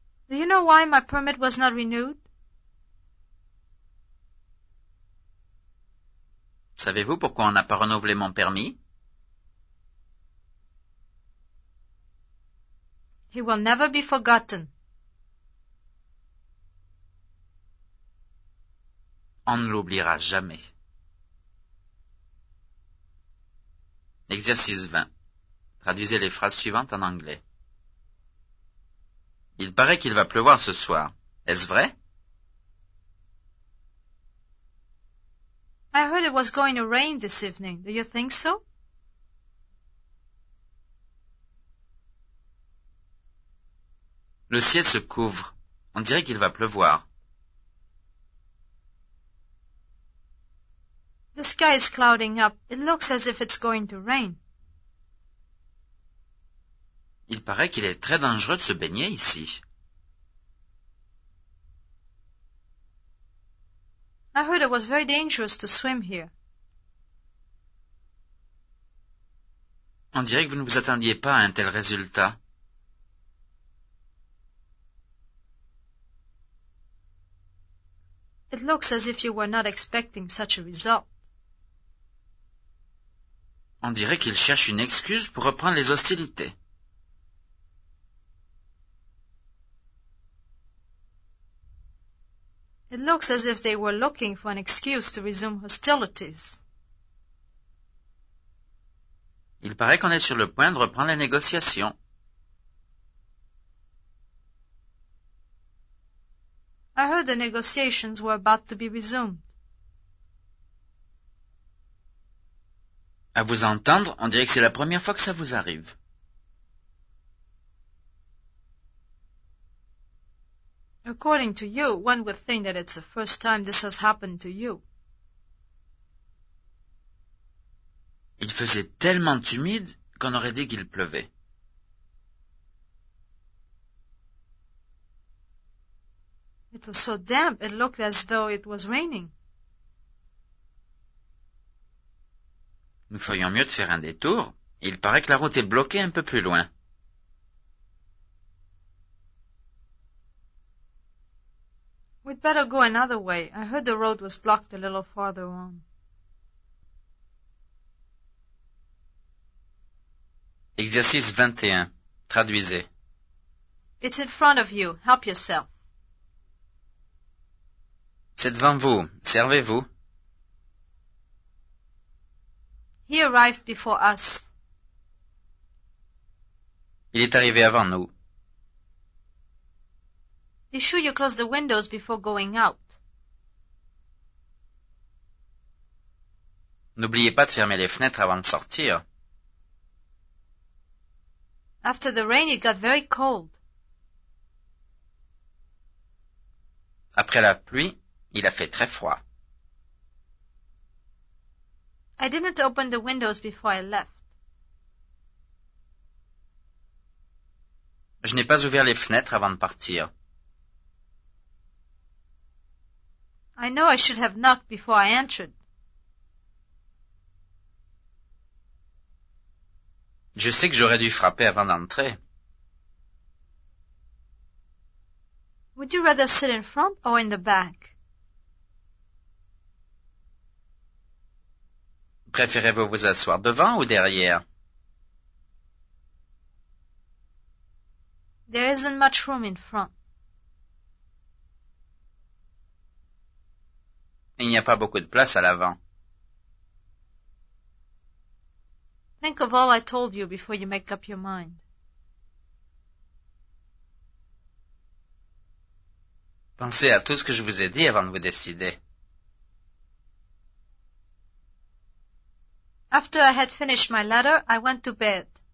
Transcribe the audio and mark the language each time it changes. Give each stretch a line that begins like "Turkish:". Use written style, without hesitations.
English: Do you know why my permit was not renewed?
French: Savez-vous pourquoi on n'a pas renouvelé mon permis?
English: He will never be forgotten.
French: On ne l'oubliera jamais. Exercice 20. Traduisez les phrases suivantes en anglais. Il paraît qu'il va pleuvoir ce soir. Est-ce vrai?
English: I heard it was going to rain this evening. Do you think so?
French: Le ciel se couvre. On dirait qu'il va pleuvoir.
English: The sky is clouding up. It looks as if it's going to rain.
French: Il paraît qu'il est très dangereux de se baigner ici.
English: I heard it was very dangerous to swim here.
French: On dirait que vous ne vous attendiez pas à un tel résultat.
English: It looks as if you were not expecting such a result.
French: On dirait qu'il cherche une excuse pour reprendre les hostilités.
English: It looks as if they were looking for an excuse to resume hostilities.
French: Il paraît qu'on est sur le point de reprendre les négociations.
English: I heard the negotiations were about to be resumed.
French: À vous entendre, on dirait que c'est la première fois que ça vous arrive.
English: According to you, one would think that it's the first time this has happened to you.
French: Il faisait tellement humide qu'on aurait dit qu'il pleuvait.
English: It was so damp, it looked as though it was raining.
French: Nous ferions mieux de faire un détour. Il paraît que la route est bloquée un peu plus loin.
English: We'd better go another way. I heard the road was blocked a little farther on.
French: Exercice 21. Traduisez.
English: It's in front of you. Help yourself.
French: C'est devant vous. Servez-vous.
English: He arrived before us.
French: Il est arrivé avant nous.
English: Be sure you close the windows before going out.
French: N'oubliez pas de fermer les fenêtres avant de sortir.
English: After the rain, it got very cold.
French: Après la pluie, il a fait très froid.
English: I didn't open the windows before I left.
French: Je n'ai pas ouvert les fenêtres avant de partir.
English: I know I should have knocked before I entered.
French: Je sais que j'aurais dû frapper avant d'entrer.
English: Would you rather sit in front or in the back?
French: Préférez-vous vous asseoir devant ou derrière?
English: There isn't much room in front.
French: Il n'y a pas beaucoup de place à l'avant.
English: Think of all I told you before you make up your mind.
French: Pensez à tout ce que je vous ai dit avant de vous décider.
English: After I had finished my letter, I went to bed.